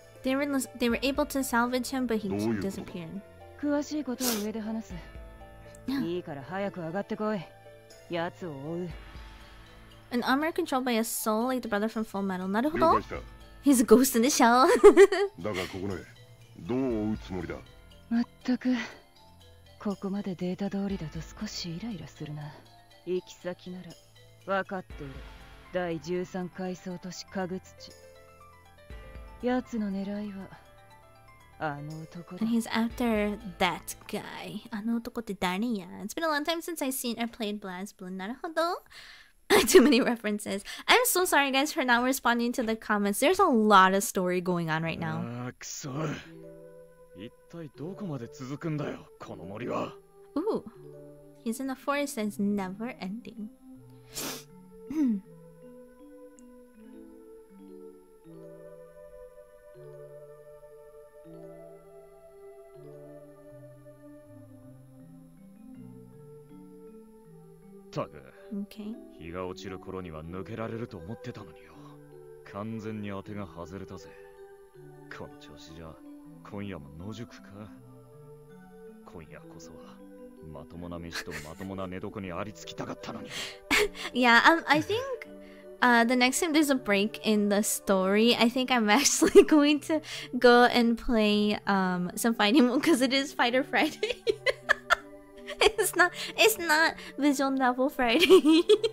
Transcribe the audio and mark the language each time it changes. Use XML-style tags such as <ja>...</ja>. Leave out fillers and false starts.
<en>They were able to salvage him, but he disappeared.</en> <ja>詳しいことは上で話す。いいから早く上がってこい。やつを追う。</ja> <en>An armor controlled by a soul like the brother from Full Metal.</en> <ja>なるほど。</ja> <en>He's a ghost in the shell.</en> <ja>だがここね、どう追うつもりだ。まったく、ここまでデータ通りだと少しイライラするな。行き先なら、分かっている。第13階層都市家具土。やつの狙いは、あの男だ。</ja> <en>And he's after that guy.</en> <ja>あの男って誰や？</ja> <en>It's been a long time since I've seen or played BLAZBLUE.</en> <ja>なるほど。</ja> <en>Too many references. I'm so sorry guys for not responding to the comments. There's a lot of story going on right now.</en> <ja>あー、くそ。一体どこまで続くんだよ、この森は。</ja> <en>Ooh. He's in the forest and it's never ending. Okay.</en> <ja>日が落ちる頃には抜けられると思ってたのによ。完全に当てが外れたぜ。この調子じゃ今夜も野宿か。今夜こそはまともな飯とまともな寝床にありつきたかったのに。</ja> <en>Yeah, I think the next time there's a break in the story, I think I'm actually going to go and play some fighting mode because it is Fighter Friday. It's not Visual Novel Friday.</en>